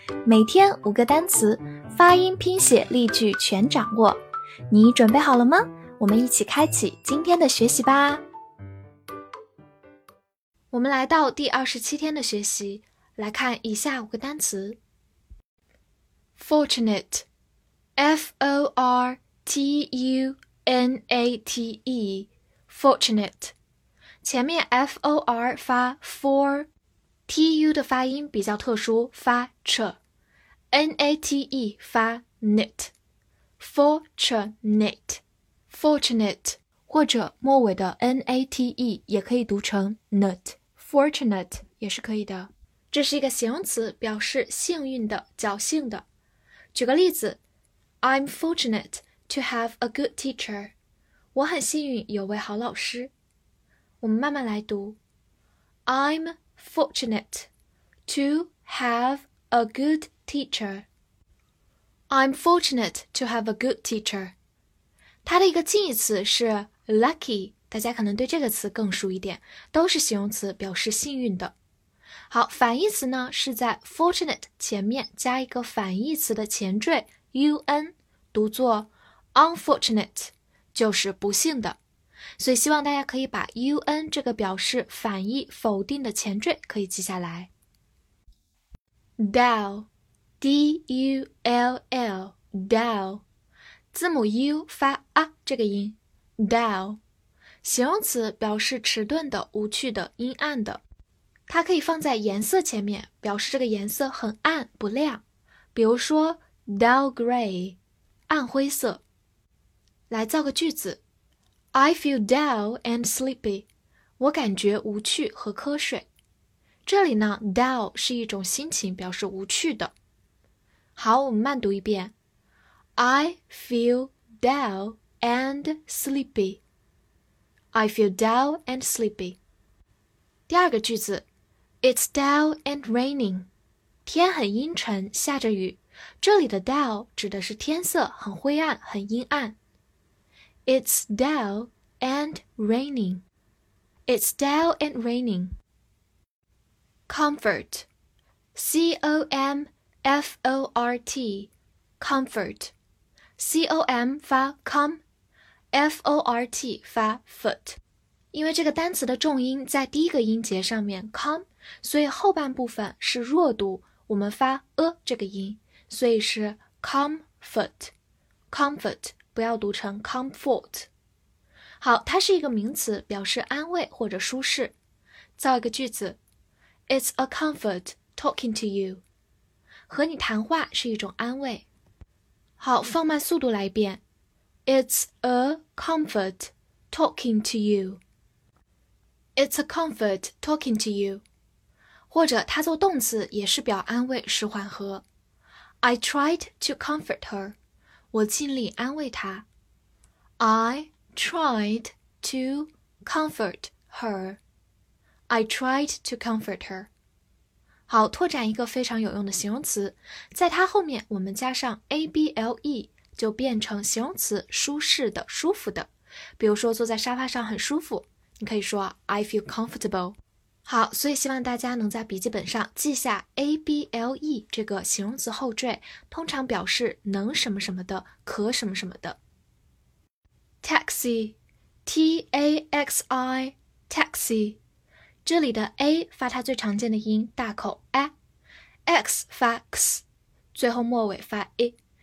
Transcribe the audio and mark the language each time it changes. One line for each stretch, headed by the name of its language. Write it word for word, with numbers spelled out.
Chinese: 每天五个单词，发音、拼写、例句全掌握。你准备好了吗？我们一起开启今天的学习吧。我们来到第二十七天的学习，来看以下五个单词。 Fortunate, F O R T U N A T E, fortunate， 前面 F O R 发 for,T U 的发音比较特殊，发 ch,N A T E 发 nit， fortunate， fortunate， 或者末尾的 N A T E 也可以读成 nut， fortunate 也是可以的。这是一个形容词，表示幸运的、侥幸的。举个例子
English: ，I'm fortunate to have a good teacher。
Chinese: 我很幸运有位好老师。我们慢慢来读
English: ，I'm fortunate to have a good teacher。 I'm fortunate to have a good teacher。
Chinese: 它的一个近义词是 lucky， 大家可能对这个词更熟一点，都是形容词，表示幸运的。好，反义词呢是在 fortunate 前面加一个反义词的前缀 un， 读作 unfortunate， 就是不幸的。所以希望大家可以把 un 这个表示反义否定的前缀可以记下来。 Dull, D U L L, dull， 字母 u 发啊这个音 ，dull， 形容词表示迟钝的、无趣的、阴暗的。它可以放在颜色前面，表示这个颜色很暗不亮，比如说 dull gray， 暗灰色。来造个句子 ，
English: I feel dull and sleepy，
Chinese: 我感觉无趣和瞌睡。这里呢 ，dull 是一种心情，表示无趣的。好，我们慢读一遍 ，
English: I feel dull and sleepy。 I feel dull and sleepy。
Chinese: 第二个句子。
English: It's dull and raining.
Chinese: 天很阴沉，下着雨。这里的 dull 指的是天色很灰暗，很阴暗。
English: It's dull and raining. It's dull and raining. Comfort. C O M F O R T. Comfort.
Chinese: C O M 发 com, F O R T 发 foot。因为这个单词的重音在第一个音节上面 com，所以后半部分是弱读，我们发 a 这个音，所以是 comfort， comfort 不要读成 comfort。好，它是一个名词，表示安慰或者舒适。造一个句子
English: It's a comfort talking to you，
Chinese: 和你谈话是一种安慰。好，放慢速度来一遍
English: It's a comfort talking to you， It's a comfort talking to you，
Chinese: 或者它做动词也是表安慰，使缓和。
English: I tried to comfort her，
Chinese: 我尽力安慰她。
English: I tried to comfort her， I tried to comfort her。
Chinese: 好，拓展一个非常有用的形容词，在它后面我们加上 able， 就变成形容词舒适的、舒服的。比如说坐在沙发上很舒服，你可以说
English: I feel comfortable。
Chinese: 好，所以希望大家能在笔记本上记下 able 这个形容词后缀，通常表示能什么什么的，可什么什么的。 Taxi, T A X I, taxi， 这里的 a 发它最常见的音大口 a， x 发 x， 最后末尾发 i。